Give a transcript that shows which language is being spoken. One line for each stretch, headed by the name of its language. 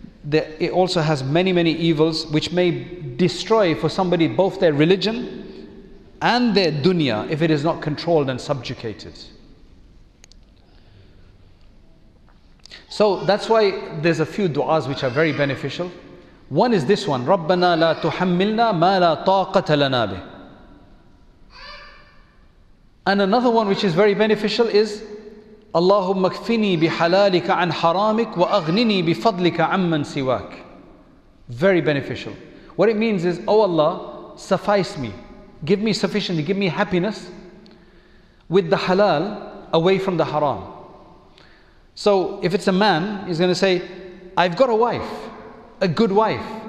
English: It also has many, many evils which may destroy for somebody both their religion and their dunya if it is not controlled and subjugated. So that's why there's a few du'as which are very beneficial. One is this one,
Arabic: رَبَّنَا لَا تُحَمِّلْنَا مَا لَا طَاقَةَ لَنَا بِهِ.
English: And another one which is very beneficial is
Arabic: اللهم اكفني بحلالك عن حرامك واغنني بفضلك عمن سواك.
English: Very beneficial. What it means is, oh Allah, suffice me. Give me sufficiently, give me happiness with the halal away from the haram. So if it's a man, he's going to say, I've got a wife, a good wife.